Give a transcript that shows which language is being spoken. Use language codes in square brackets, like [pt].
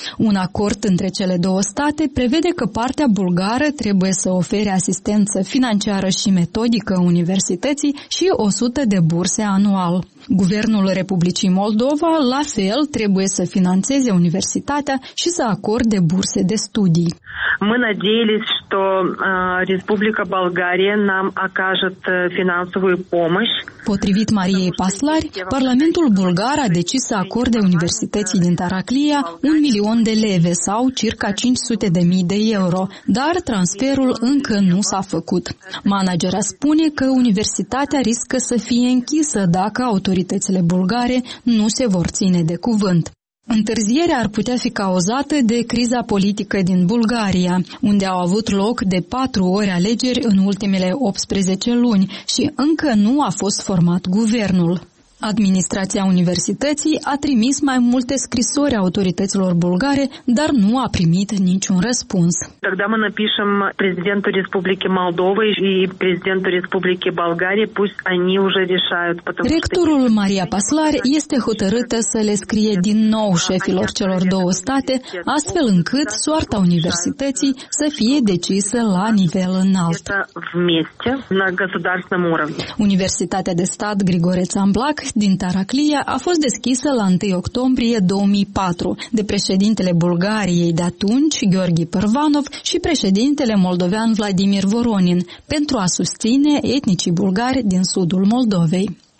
[ro] Un acord între cele două state prevede că partea bulgară trebuie să ofere asistență financiară și metodică universității și 100 de burse anual. Guvernul Republicii Moldova, la fel, trebuie să finanțeze universitatea și să acorde burse de studii. [ru] Мы надеялись, что Республика Болгария нам окажет финансовую помощь. [ro] Potrivit Mariei Paslari, Parlamentul Bulgar a decis să acorde Universității din Taraclia 1 milion de leve sau circa 500 de mii de euro, dar transferul încă nu s-a făcut. Managerea spune că universitatea riscă să fie închisă dacă autoritățile bulgare nu se vor ține de cuvânt. Întârzierea ar putea fi cauzată de criza politică din Bulgaria, unde au avut loc de 4 ori alegeri în ultimele 18 luni și încă nu a fost format guvernul. Administrația universității a trimis mai multe scrisori autorităților bulgare, dar nu a primit niciun răspuns. [ru] Тогда мы напишем президенту Республики Молдова и президенту Республики Болгарии, пусть они уже решают, потому что [ro] ректорul Maria Paslari este hotărâtă să le scrie din nou șefilor celor două state, astfel încât soarta universității să fie decisă la nivel înalt. [ru] Вместе на государственном уровне. [ro] Universitatea de stat Grigore Țamblac din Taraclia a fost deschisă la 1 octombrie 2004 de președintele Bulgariei de atunci, Gheorghe Pârvanov, și președintele moldovean Vladimir Voronin, pentru a susține etnicii bulgari din sudul Moldovei.